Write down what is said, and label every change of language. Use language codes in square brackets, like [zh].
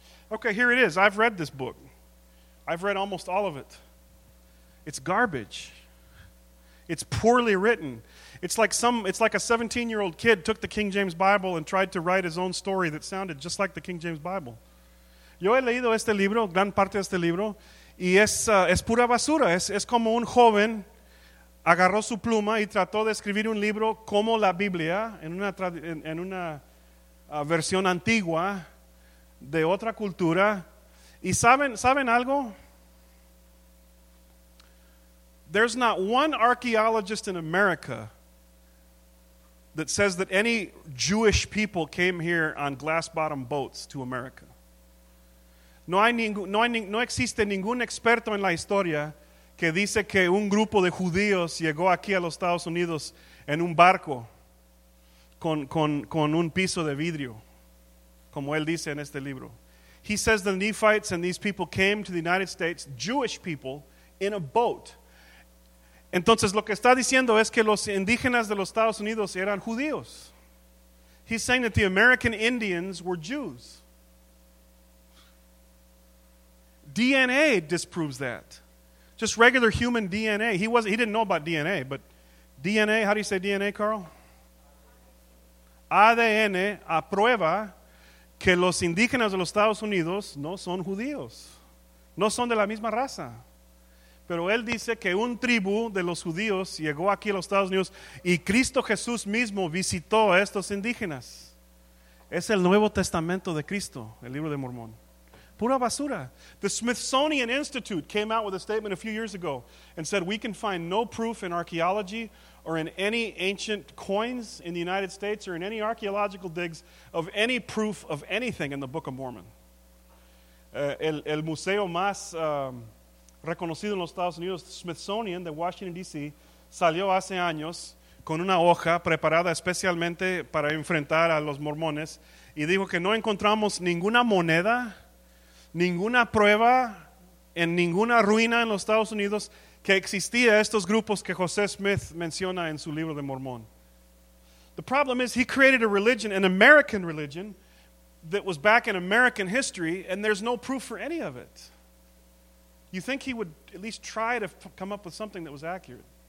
[en] Okay, here it is. I've read this book. I've read almost all of it. It's garbage. It's poorly written. It's like a 17-year-old kid took the King James Bible and tried to write his own story that sounded just like the King James Bible. [es] Yo he leído este libro, gran parte de este libro, y es pura basura. Es como un joven agarró su pluma y trató de escribir un libro como la Biblia en una versión antigua de otra cultura. ¿Y saben algo? [en] There's not one archaeologist in America that says that any Jewish people came here on glass-bottom boats to America. [es] No existe ningún experto en la historia que dice que un grupo de judíos llegó aquí a los Estados Unidos en un barco con un piso de vidrio, como él dice en este libro. [en] He says the Nephites and these people came to the United States, Jewish people, in a boat. [es] Entonces lo que está diciendo es que los indígenas de los Estados Unidos eran judíos. [en] He's saying that the American Indians were Jews. DNA disproves that. Just regular human DNA. He didn't know about DNA, but DNA, how do you say DNA, Carl? [es] ADN aprueba que los indígenas de los Estados Unidos no son judíos. No son de la misma raza. Pero él dice que un tribu de los judíos llegó aquí a los Estados Unidos y Cristo Jesús mismo visitó a estos indígenas. Es el Nuevo Testamento de Cristo, el libro de Mormón. Pura basura. [en] The Smithsonian Institute came out with a statement a few years ago and said, we can find no proof in archaeology or in any ancient coins in the United States or in any archaeological digs of any proof of anything in the Book of Mormon. [es] El museo más reconocido en los Estados Unidos, Smithsonian, de Washington, D.C., salió hace años con una hoja preparada especialmente para enfrentar a los mormones y dijo que no encontramos ninguna moneda, ninguna prueba en ninguna ruina en los Estados Unidos que existía estos grupos que José Smith menciona en su libro de Mormón. [en] The problem is he created a religion, an American religion, that was back in American history, and there's no proof for any of it. You think he would at least try to come up with something that was accurate.